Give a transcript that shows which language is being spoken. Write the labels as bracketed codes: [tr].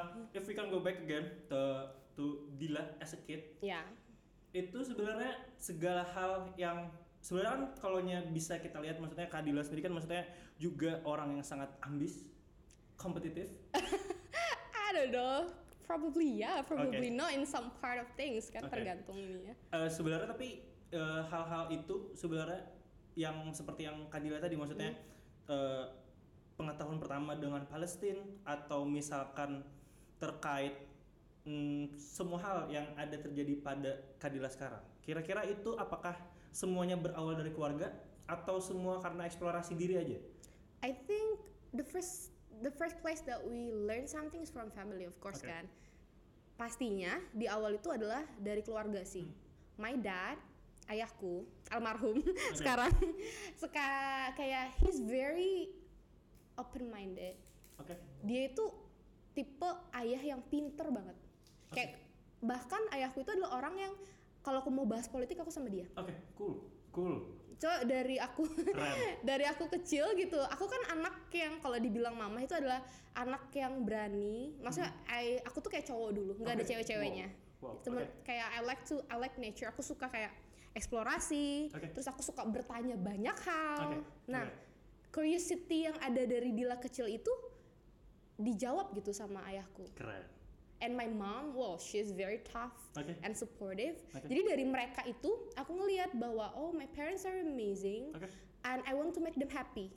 [en] If we can go back again to Dila as a kid. [id] Itu sebenarnya segala hal yang sebenarnya kan kalau nya bisa kita lihat, maksudnya Kak Dila sendiri kan maksudnya juga orang yang sangat ambis, kompetitif. [en] I don't know, probably yeah, probably not in some part of things kan, [id] tergantung ini ya. Sebenarnya tapi hal-hal itu sebenarnya yang seperti yang Kak Dila tadi maksudnya pengetahuan pertama dengan Palestine atau misalkan terkait semua hal yang ada terjadi pada Kadila sekarang, kira-kira itu apakah semuanya berawal dari keluarga atau semua karena eksplorasi diri aja? [en] I think the first place that we learn something is from family, of course. [id] Kan pastinya di awal itu adalah dari keluarga sih. [en] My dad, [id] ayahku almarhum sekarang suka kayak [en] he's very open minded. [id] Dia itu tipe ayah yang pinter banget. Kayak bahkan ayahku itu adalah orang yang kalau aku mau bahas politik aku sama dia. [en] Cool. [id] So dari aku dari aku kecil gitu, aku kan anak yang kalau dibilang mama itu adalah anak yang berani. Maksudnya aku tuh kayak cowok dulu, nggak ada cewek-ceweknya. Kayak [en] I like nature, [id] aku suka kayak eksplorasi. Terus aku suka bertanya banyak hal. Nah, curiosity yang ada dari Dila kecil itu dijawab gitu sama ayahku. [en] And my mom, well, she's very tough and supportive. [id] Jadi dari mereka itu, aku ngelihat bahwa, oh, [en] my parents are amazing. And I want to make them happy.